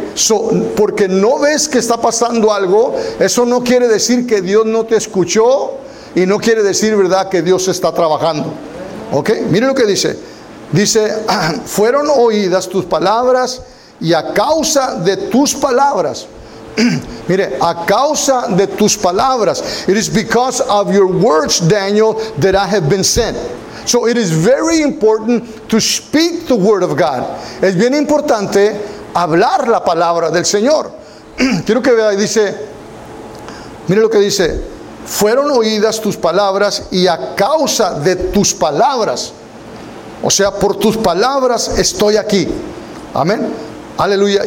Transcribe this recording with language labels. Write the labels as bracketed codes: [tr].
[es] So, porque no ves que está pasando algo, eso no quiere decir que Dios no te escuchó y no quiere decir, ¿verdad?, que Dios está trabajando. ¿Ok? Mire lo que dice. Dice, fueron oídas tus palabras y a causa de tus palabras. Mire, a causa de tus palabras. [en] It is because of your words, Daniel, that I have been sent. So it is very important to speak the word of God. [es] Es bien importante hablar la palabra del Señor. Quiero que vea, dice, mire lo que dice: fueron oídas tus palabras y a causa de tus palabras. O sea, por tus palabras estoy aquí. Amén. Aleluya.